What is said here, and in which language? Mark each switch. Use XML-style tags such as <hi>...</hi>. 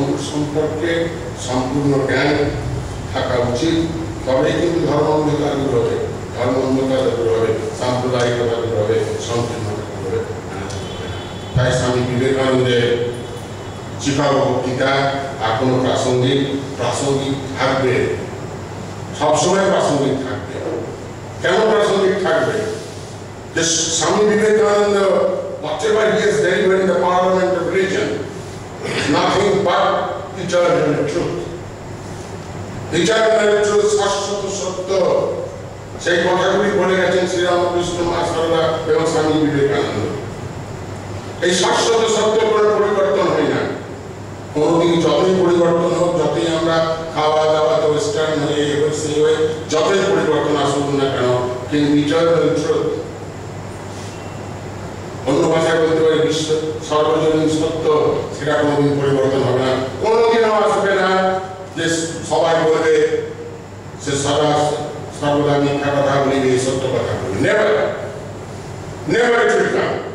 <bn>সম্পর্কে সম্পূর্ণ জ্ঞান থাকা উচিত, তবে কিন্তু ধর্ম অন্ধতা দূর হবে, ধর্ম অন্ধতা দূর হবে, সাম্প্রদায়িকতা দূর হবে, সংকীর্ণতা দূর হবে। তাই স্বামী বিবেকানন্দের শিখাব গীতা আর কোনো প্রাসঙ্গিক প্রাসঙ্গিক থাকবে, সবসময় প্রাসঙ্গিক থাকবে। কেন প্রাসঙ্গিক থাকবে?</bn> <en>যে Swami Vivekananda whatever he has delivered in the parliament of religion, nothing but eternal truth. Eternal truth,</en> <bn>শাশ্বত সত্য, সেই কথাগুলি বলে গেছেন শ্রীরামকৃষ্ণ মহাসভা এবং স্বামী বিবেকানন্দ। এই শাশ্বত সত্য কোনো পরিবর্তন হয় না, কোনোদিন যতই পরিবর্তন হোক, যতই আমরা খাওয়া দাওয়া তো ওয়েস্টার্ন হয়ে হয়ে সেই হয়ে যতই পরিবর্তন আসুক না কেন, কিন্তু ইটারনাল ট্রুথ, অন্য ভাষায় বলতে পারি বিশ্ব সর্বজনীন সত্য, সেটা কোনোদিন পরিবর্তন হবে না, কোনোদিনও আসবে না যে সবাই বলবে সে সদা সর্বদা মিথ্যা কথা বলি, এই সত্য কথা বলি,</bn> <en>Never never it will come.</en>